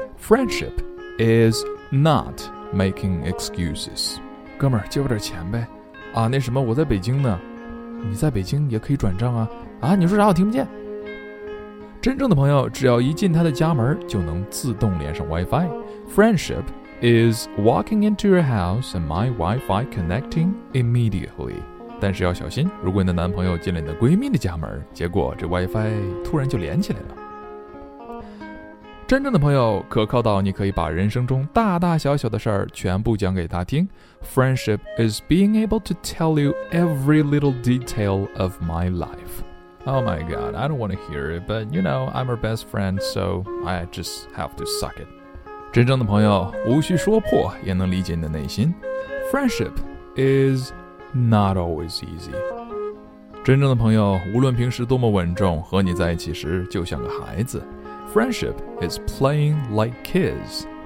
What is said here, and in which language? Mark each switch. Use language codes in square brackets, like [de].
[en] Friendship is not making excuses。 [zh] 哥们儿，借我点钱呗。啊，那什么，我在北京呢。你在北京也可以转账啊。啊，你说啥我听不见。真正的朋友只要一进他的家门就能自动连上 Wi-Fi。 [en] Friendship is walking into your house and my Wi-Fi connecting immediately。 [zh] 但是要小心，如果你的男朋友进了你的闺蜜的家门，结果这 Wi-Fi 突然就连起来了。真正的朋友可靠到你可以把人生中大大小小的事儿全部讲给他听。 [en] Friendship is being able to tell you every little detail of my life。 Oh my god, I don't want to hear it, but you know, I'm her best friend, so I just have to suck it。 [zh] 真正的朋友无需说破也能理解你的内心。 [en] Friendship is... Not always easy。 [zh] 真正的朋友无论平时多么稳重，和你在一起时就像个孩子。 [en] Friendship is playing like kids。